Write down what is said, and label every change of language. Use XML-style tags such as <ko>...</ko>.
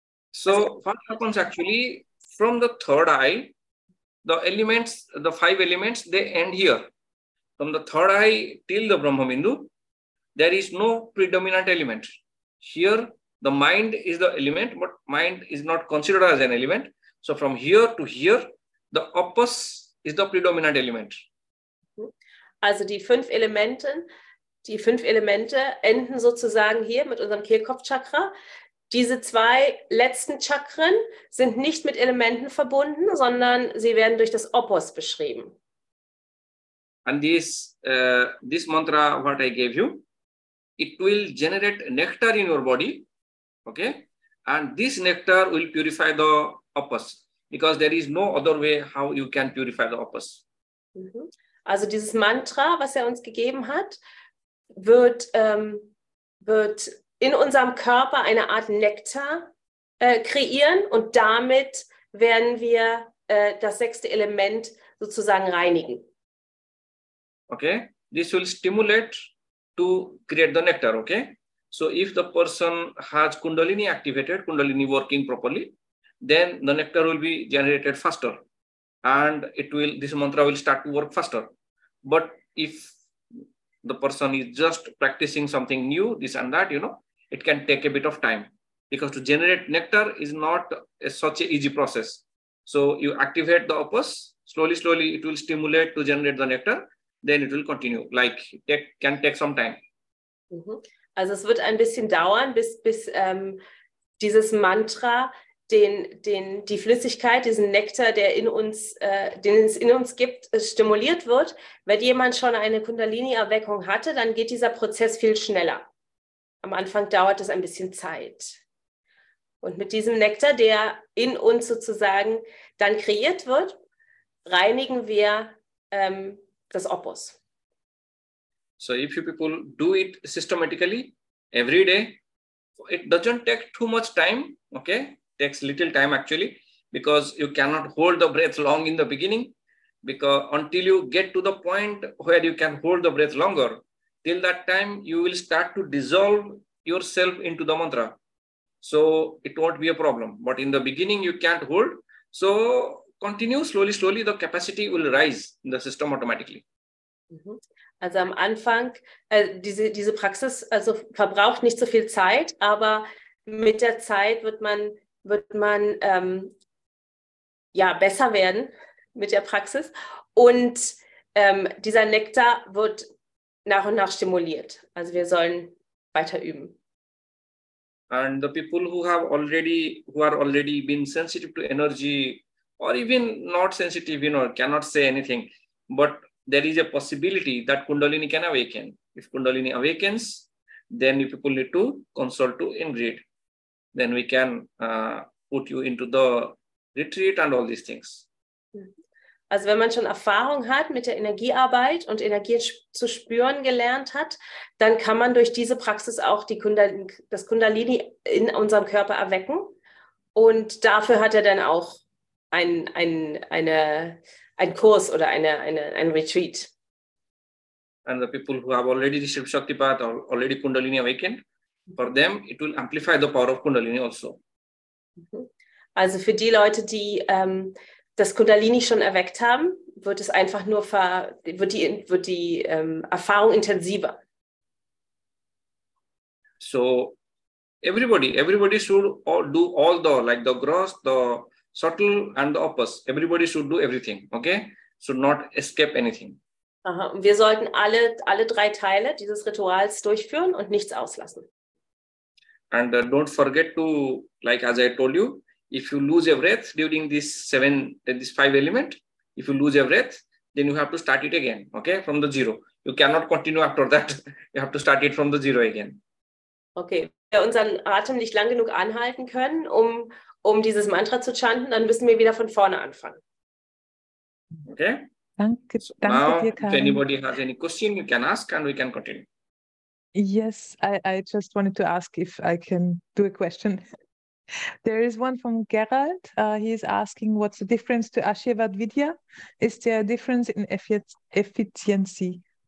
<en>So, what happens actually, from the third eye, the elements, the 5 elements, they end here. From the third eye till the Brahma Bindu, there is no predominant element. Here, the mind is the element, but mind is not considered as an element. So, from here to here, the opus is the predominant element.</en> <de>Also, die fünf Elemente enden sozusagen hier mit unserem Kehlkopfchakra. Diese 2 letzten Chakren sind nicht mit Elementen verbunden, sondern sie werden durch das Opus beschrieben.</de> <en>And this mantra, what I gave you, it will generate nectar in your body, okay? And this nectar will purify the opus, because there is no other way how you can purify the opus.</en> <de>Also dieses Mantra, was er uns gegeben hat, wird in unserem Körper eine Art Nektar kreieren und damit werden wir das 6. Element sozusagen reinigen.</de> <en>Okay, this will stimulate to create the nectar, okay? So if the person has Kundalini activated, Kundalini working properly, then the nectar will be generated faster and this mantra will start to work faster. But if the person is just practicing something new, this and that, you know, it can take a bit of time because to generate nectar is not such an easy process. So you activate the opus, slowly, slowly it will stimulate to generate the nectar, then it will continue, like it can take some time.</en> <de>Also es wird ein bisschen dauern, bis dieses Mantra die Flüssigkeit, diesen Nektar, den es in uns gibt, stimuliert wird. Wenn jemand schon eine Kundalini-Erweckung hatte, dann geht dieser Prozess viel schneller. Am Anfang dauert es ein bisschen Zeit. Und mit diesem Nektar, der in uns sozusagen dann kreiert wird, reinigen wir das Opus.</de> <en>So if you people do it systematically, every day, it doesn't take too much time, okay? Takes little time actually, because you cannot hold the breath long in the beginning, because until you get to the point where you can hold the breath longer, till that time you will start to dissolve yourself into the mantra. So it won't be a problem, but in the beginning you can't hold. So continue slowly, slowly, the capacity will rise in the system automatically.</en> <de>Also am Anfang, diese Praxis also verbraucht nicht so viel Zeit, aber mit der Zeit wird man besser werden mit der Praxis und dieser Nektar wird nach und nach stimuliert. Also wir sollen weiter üben.</de> <en>And the people who are already been sensitive to energy or even not sensitive, you know, cannot say anything, but there is a possibility that Kundalini can awaken. If Kundalini awakens, then you people need to consult to Ingrid. Then we can put you into the retreat and all these things.</en> <de>Also wenn man schon Erfahrung hat mit der Energiearbeit und Energie zu spüren gelernt hat, dann kann man durch diese Praxis auch das Kundalini in unserem Körper erwecken. Und dafür hat er dann auch einen Kurs oder ein Retreat.</de> <en>And the people who have already received Shakti Path or already Kundalini awakened, for them it will amplify the power of Kundalini also.</en> <de>Also für die Leute, die das Kundalini schon erweckt haben, wird es einfach nur wird die Erfahrung intensiver.</de> <en>So everybody should do all the, like the gross, the subtle and the upper. Everybody should do everything, okay? Should not escape anything. Aha.</en> <de>Und wir sollten alle 3 Teile dieses Rituals durchführen und nichts auslassen.</de> <en>And don't forget to, like as I told you, if you lose your breath during this 5 element, if you lose your breath, then you have to start it again, okay, from the 0. You cannot continue after that. You have to start it from the 0 again.</en> <de>Okay, wenn wir unseren Atem nicht lang genug anhalten können, um dieses Mantra zu chanten, dann müssen wir wieder von vorne anfangen. Okay. Danke, danke</de> <en>now, dir, Karin. If anybody has any question, you can ask and we can continue. Yes, I just wanted to ask if I can do a question. There is one from Gerald. He is asking, what's the difference to Ashirvad Vidya? Is there a difference in efficiency?</en>